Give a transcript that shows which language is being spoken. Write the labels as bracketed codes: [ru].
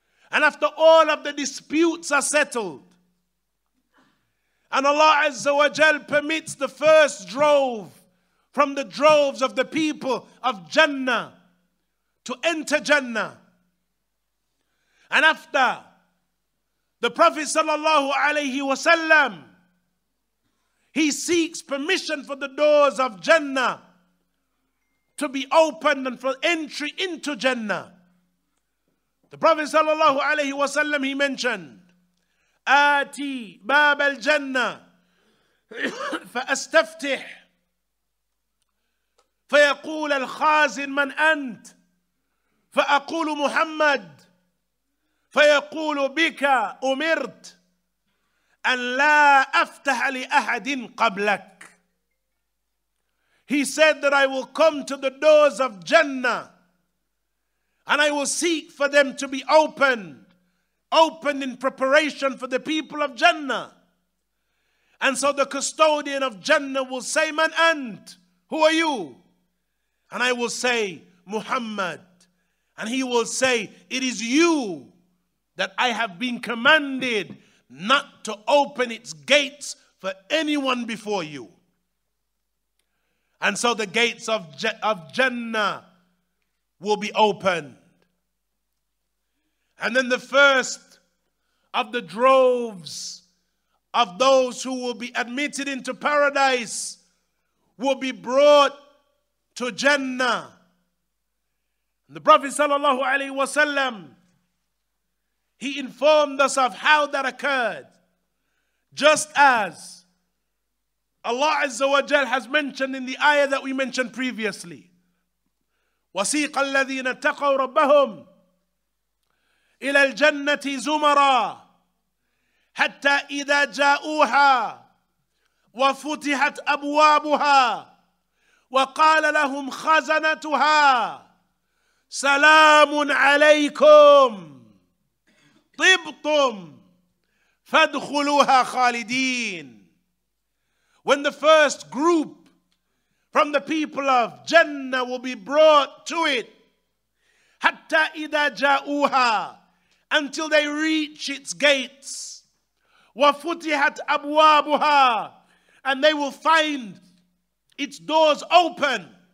[en] And after all of the disputes are settled, and Allah Azza wa Jal permits the first drove from the droves of the people of Jannah to enter Jannah. And after the Prophet sallallahu alayhi wa sallam, he seeks permission for the doors of Jannah to be opened and for entry into Jannah. [ar] The Prophet sallallahu alayhi wa sallam, he mentioned, آتي باب الجنة فأستفتح فيقول الخازن من أنت فأقول محمد فيقول بك أمرت أن لا أفتح لأحد قبلك. [en] He said that I will come to the doors of Jannah and I will seek for them to be opened in preparation for the people of Jannah. And so the custodian of Jannah will say, [ar] man ant, [en] who are you? And I will say, Muhammad. And he will say, it is you that I have been commanded not to open its gates for anyone before you. And so the gates of Jannah will be opened. And then the first of the droves of those who will be admitted into paradise will be brought to Jannah. And the Prophet sallallahu alaihi wasallam, he informed us of how that occurred. Just as Allah Azza wa Jal has mentioned in the ayah that we mentioned previously, [ar] وَسِيقَ الَّذِينَ اتَّقَوْا رَبَّهُمْ إلى الجنة زمرا حتى إذا جاءوها وفتحت أبوابها وقال لهم خزنتها سلام عليكم طبتم فادخلوها خالدين. [en] when the first group from the people of Jannah will be brought to it. [ar] Hatta idha ja'uha, [en] until they reach its gates. [ar] Wa futihat abwabuha, [en] and they will find its doors open.